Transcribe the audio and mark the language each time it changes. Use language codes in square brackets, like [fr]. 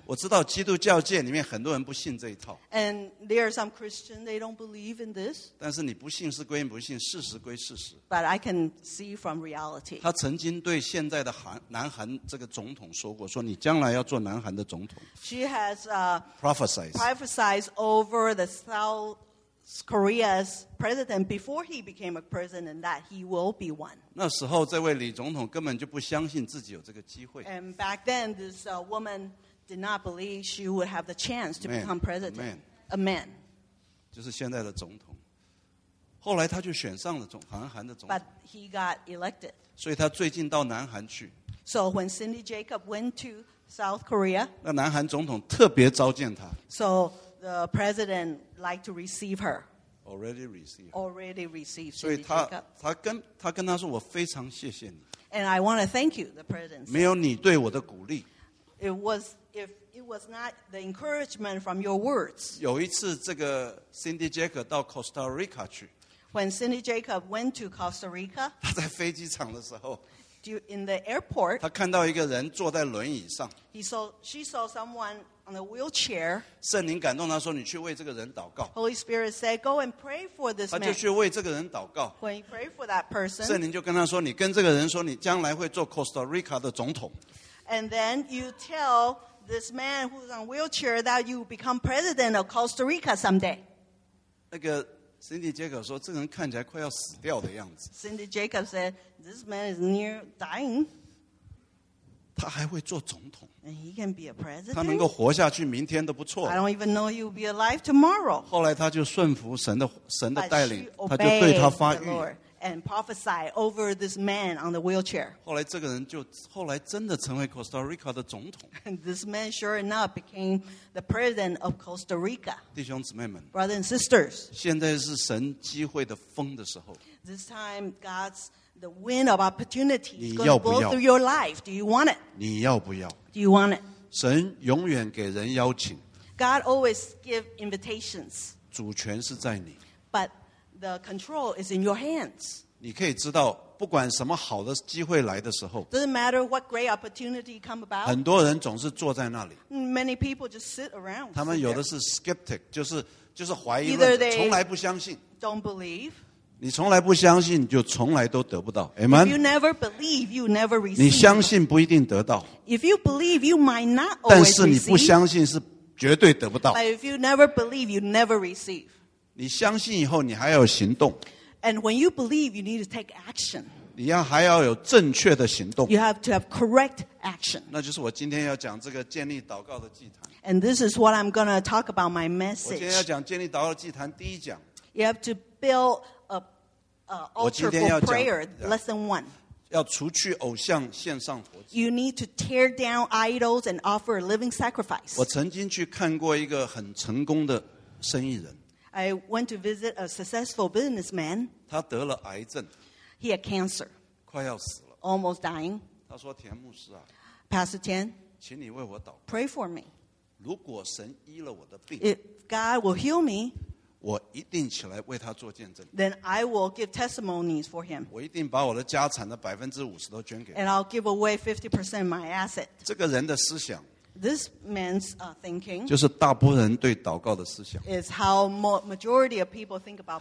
[zh] 我知道基督教界里面很多人不信这一套。 [en] And there are some Christians, they don't believe in this. [zh] 但是你不信是归不信, 事实归事实。 [en] But I can see from reality. [zh] 他曾经对现在的南韩这个总统说过, 说你将来要做南韩的总统。 [en] She has prophesied over the South Korea's president before he became a president that he will be one. [zh] 那时候这位李总统根本就不相信自己有这个机会。 [en] And back then, this woman did not believe she would have the chance to become president. Amen. Amen. [zh] 就是现在的总统。后来他就选上了总,南韩的总统。 [en] But he got elected. [zh] 所以他最近到南韩去。 [en] So when Cindy Jacob went to South Korea, [zh] 那南韩总统特别召见他。 [en] So the president liked to receive her. Already received. Already received. [zh] 所以他跟他说我非常谢谢你。 [en] And I want to thank you, the president. [zh] 没有你对我的鼓励。 [en] It was if it was not the encouragement from your words. [zh] 有一次这个 Cindy Jacob 到 Costa Rica 去。 [en] When Cindy Jacob went to Costa Rica. [zh] 他在飞机场的时候。 [en] In the airport. [zh] 他看到一个人坐在轮椅上。 [en] She saw someone. On the wheelchair, [zh] 圣灵感动他说你去为这个人祷告。 [en] Holy Spirit said, go and pray for this man. [zh] 他就去为这个人祷告。 [en] When you pray for that person, [zh] 圣灵就跟他说, 你跟这个人说, 你将来会做 Costa Rica的总统。 [en] And then you tell this man who's on wheelchair that you become president of Costa Rica someday. [zh] 那个Cindy Jacob说, 这个人看起来快要死掉的样子。 [en] Cindy Jacob said, this man is near dying. [zh] 他还会做总统。 [en] And he can be a president. [zh] 他能够活下去, [en] I don't even know he will be alive tomorrow. [zh] 后来他就顺服神的带领, [en] but she obeyed the Lord and prophesied over this man on the wheelchair. [zh] 后来真的成为 Costa Rica的总统。 [en] And this man sure enough became the president of Costa Rica. [zh] 弟兄姊妹们, [en] brothers and sisters, [zh] 现在是神机会的风的时候。 [en] This time God's the wind of opportunity is going to blow through your life. Do you want it? [zh] 你要不要? [en] Do you want it? [zh] 神永远给人邀请。 [en] God always gives invitations. [zh] 主权是在你。 [en] But the control is in your hands. [zh] 你可以知道, 不管什么好的机会来的时候, [en] doesn't matter what great opportunity come about. [zh] 很多人总是坐在那里。 [en] Many people just sit around. [zh] 他们有的是 skeptic, 就是怀疑论者, [en] either they [zh] 从来不相信, [en] don't believe. [zh] 你从来不相信, 就从来都得不到, [en] Amen? If you never believe, you never receive. [zh] 你相信不一定得到, [en] if you believe, you might not always receive. [zh] 但是你不相信是绝对得不到。 [en] But if you never believe, you never receive. [zh] 你相信以后, 你还要行动。 [en] And when you believe, you need to take action. [zh] 你还要有正确的行动。 [en] You have to have correct action. [zh] 那就是我今天要讲这个建立祷告的祭坛。 [en] And this is what I'm going to talk about my message. [zh] 我今天要讲建立祷告祭坛第一讲。 [en] You have to build altar for prayer, lesson one. [zh] 要除去偶像献上火祭。 [en] You need to tear down idols and offer a living sacrifice. [zh] 我曾经去看过一个很成功的生意人。 [en] I went to visit a successful businessman. [zh] 他得了癌症。 [en] He had cancer. [zh] 快要死了。 [en] Almost dying. [zh] 他说田牧师啊, [en] Pastor Tian, [zh] 请你为我祷告。 [en] Pray for me. [zh] 如果神医了我的病, [en] if God will heal me, [zh] 我一定起来为他做见证。 [en] Then I will give testimonies for him. [zh] 我一定把我的家产的 50%都捐给他。 [en] And I'll give away 50% of my asset. [zh] 这个人的思想, [en] this man's thinking, [zh] 就是大部分人对祷告的思想, [en] is how majority of people think about prayer.